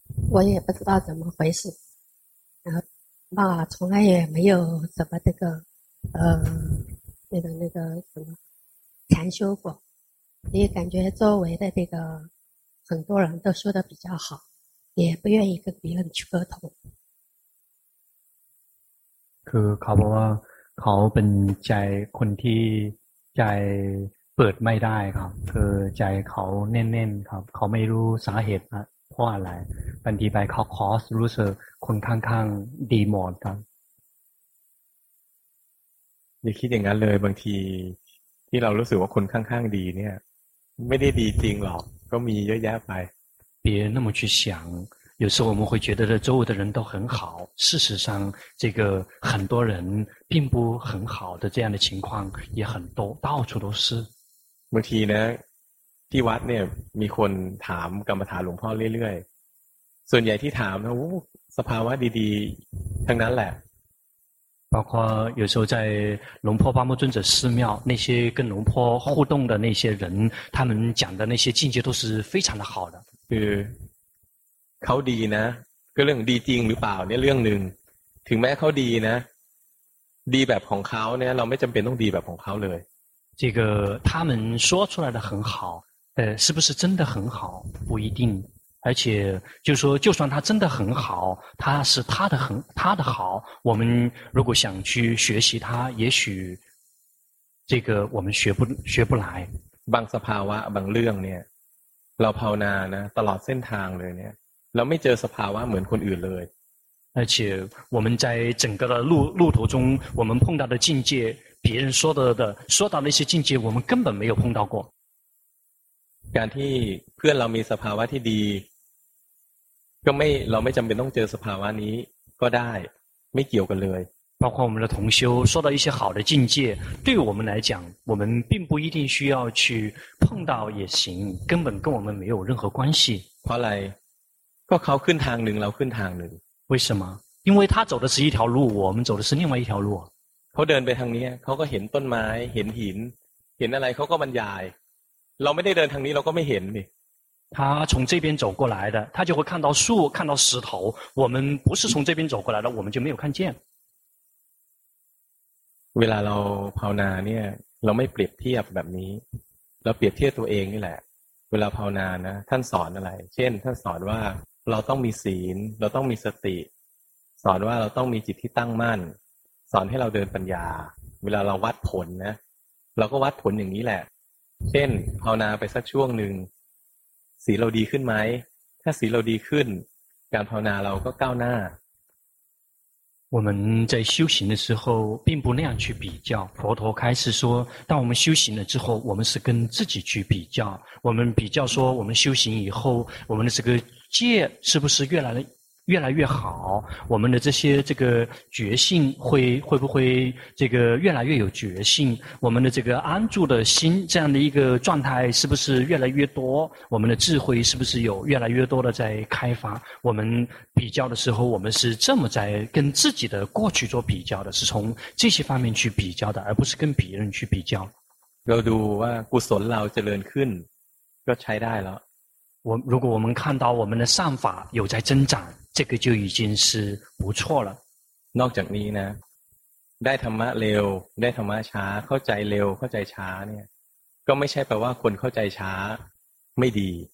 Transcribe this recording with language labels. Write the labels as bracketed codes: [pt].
[zh] 我也不知道怎么回事，然后吧，从来也没有怎么这个那个什么禅修过，也感觉周围的这个很多人都说的比较好，也不愿意跟别人去沟通。 [th] คือเขาบอกว่าเขาเป็นใจคนที่ใจเปิดไม่ได้ครับคือใจเขาแน่นๆครับเขาไม่รู้สาเหตุเพราะอะไรบางทีไปเขาคอสรู้สึกคนข้างๆดีหมดครับ อย่าคิดอย่างนั้นเลยบางทีที่เรารู้สึกว่าคนข้างๆดีเนี่ยไม่ได้ดีจริงหรอกก็มีเยอะแยะไป [zh] 别那么去想有时候我们会觉得周围的人都很好事实上这个很多人并不很好的这样的情况也很多到处都是 [th] บางทีนะที่วัดเนี่ยมีคนถามกรรมฐานหลวงพ่อเรื่อยๆส่วนใหญ่ที่ถามนะโอ้สภาวะดีๆทั้งนั้นแหละ [zh] 包括有时候在龙坡八木尊者寺庙，那些跟龙坡互动的那些人，他们讲的那些境界都是非常的好的。 [th] 对，เขาดีนะ，ก็เรื่องดีจริงหรือเปล่าเนี่ยเรื่องหนึ่ง。 ถึงแม้เขาดีนะ，ดีแบบของเขาเนี่ยเราไม่จำเป็นต้องดีแบบของเขาเลย。 [zh] 这个他们说出来的很好，是不是真的很好？不一定。而且就说就算他真的很好他是他的好我们如果想去学习他也许这个我们学不来 [th] บางสภาวะบางเรื่องเนี่ยเราภาวนานะตลอดเส้นทางเลยเนี่ยเราไม่เจอสภาวะเหมือนคนอื่นเลย [zh] 而且我们在整个的路途中我们碰到的境界别人说到那些境界我们根本没有碰到过 [th] การที่เพื่อนเรามีสภาวะที่ดีก็ไม่เราไม่จำเป็นต้องเจอสภาวะนี้ก็ได้ไม่เกี่ยวกันเลย [zh] 包括我们的同修说到一些好的境界对我们来讲我们并不一定需要去碰到也行根本跟我们没有任何关系 [th] เพราะอะไรก็เขาขึ้นทางหนึ่งเราขึ้นทางหนึ่ง [zh] 为什么因为他走的是一条路我们走的是另外一条路 [th] เขาเดินไปทางนี้เขาก็เห็นต้นไม้เห็นหินเห็นอะไรเขาก็บรรยายเราไม่ได้เดินทางนี้เราก็ไม่เห็นนี่ [zh] 他从这边走过来的他就会看到树看到石头我们不是从这边走过来的我们就没有看见 [th] เวลาเราภาวนาเนี่ยเราไม่เปรียบเทียบแบบนี้เราเปรียบเทียบตัวเองนี่แหละเวลาภาวนานะท่านสอนอะไรเช่นท่านสอนว่าเราต้องมีศีลเราต้องมีสติสอนว่าเราต้องมีจิตที่ตั้งมั่นสอนให้เราเดินปัญญาเวลาเราวัดผลนะเราก็วัดผลอย่างนี้แหละเช่นภาวนาไปสักช่วงหนึ่งศีลเราดีขึ้นไหมถ้าศีลเราดีขึ้นการภาวนาเราก็ก้าวหน้า [zh] 我们在修行的时候并不那样去比较佛陀开始说当我们修行了之后我们是跟自己去比较我们比较说我们修行以后我们的这个戒是不是越来越好我们的这些这个觉性会不会这个越来越有觉性我们的这个安住的心这样的一个状态是不是越来越多我们的智慧是不是有越来越多的在开发我们比较的时候我们是这么在跟自己的过去做比较的是从这些方面去比较的而不是跟别人去比较 [th] เราดูว่ากุศลเราเจริญขึ้นก็ใช้ได้แล้ว [zh] 如果我们看到我们的善法有在增长这个就已经是不错了 [th] นอกจากนี้นะได้ธรรมะเร็วได้ธรรมะช้าเข้าใจเร็วเข้าใจช้าเนี่ยก็ไม่ใช่แปลว่าคนเข้าใจช้าไม่ดี